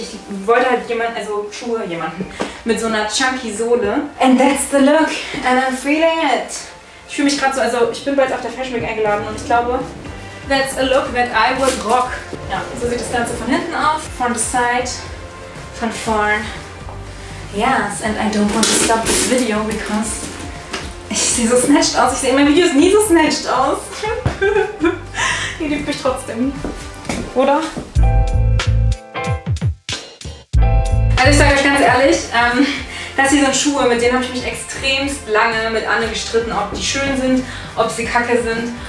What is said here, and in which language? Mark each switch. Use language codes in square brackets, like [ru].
[de] Ich wollte halt jemanden, also Schuhe, jemanden mit so einer chunky Sohle. [en] And that's the look. And I'm feeling it. [de] Ich fühle mich gerade so, also ich bin bald auf der Fashion Week eingeladen und ich glaube, [en] that's a look that I would rock. [de] Ja, so sieht das Ganze von hinten aus. [en] From the side. [de] Von vorn. [en] Yes, and I don't want to stop this video because [de] ich sehe so snatched aus. Ich sehe in meinen Videos nie so snatched aus. Ihr liebt mich trotzdem. Oder? Also ich sage euch ganz ehrlich, das hier sind Schuhe, mit denen habe ich mich extremst lange mit Anne gestritten, ob die schön sind, ob sie kacke sind.